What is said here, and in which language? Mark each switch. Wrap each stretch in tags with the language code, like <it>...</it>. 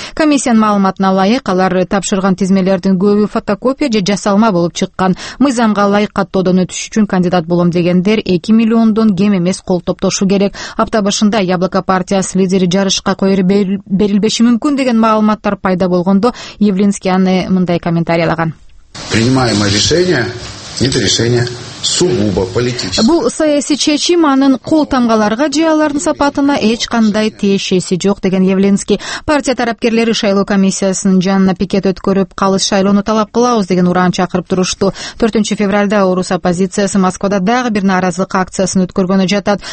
<ky>Комиссиянын маалыматына ылайык, алар тапшырган тизмелердин көбү фотокопия же жасалма болуп чыккан. Мыйзамга ылайык каттоодон өтүш үчүн кандидат болом дегендер 2 миллиондон кем эмес кол топтошу керек. Апта башында Яблоко партиясы лидери жарышка коюу берилбеши мүмкүн деген маалыматтар пайда болгондо Явлинский аны мындай комментарийлаган.</ky> <ru>Принимаемое решение это решение сугубо политическое.</ru> <ky>Бул саясий чечим, анын кол тамгаларга же алардын сапатына эч кандай тиешеси жок деген Явлинский. Партия тарапкерлери шайлоо комиссиясынын жанына пикет өткөрүп, калыс шайлоону талап кылабыз деген уран чакырып турушту. 4-февралда орус оппозициясы Москвада дагы бир нааразылык акциясын өткөргөнү жатат.</ky>